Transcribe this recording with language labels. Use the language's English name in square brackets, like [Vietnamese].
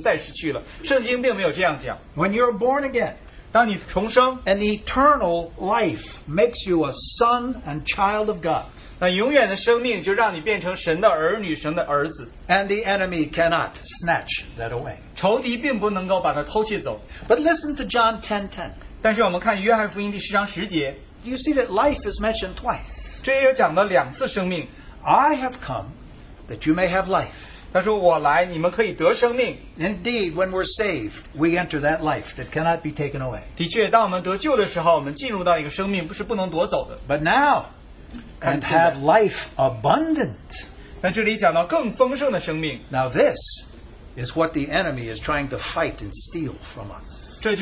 [Chinese] 有人他们宣讲说有的人得到了救恩又失去了然后再得到救恩再失去了圣经并没有这样讲. [English] When you're born again, [Chinese] 当你重生, [English] an eternal life makes you a son and child of God. [Chinese] 那永远的生命就让你变成神的儿女，神的儿子. [English] And the enemy cannot snatch that away. [Chinese] 仇敌并不能够把它偷窃走. [English] But listen to John 10:10. [Chinese] 但是我们看约翰福音第十章十节. [English] You see that life is mentioned twice. [Chinese] 这也有讲到两次生命. [English] I have come that you may have life. [Chinese] 他说我来你们可以得生命. [English] Indeed, when we're saved, we enter that life that cannot be taken away. [Chinese] 的确当我们得救的时候我们进入到一个生命不是不能夺走的. [English] But now, and have life abundant. [Chinese] 但这里讲到更丰盛的生命. [English] Now this is what the enemy is trying to fight and steal from us.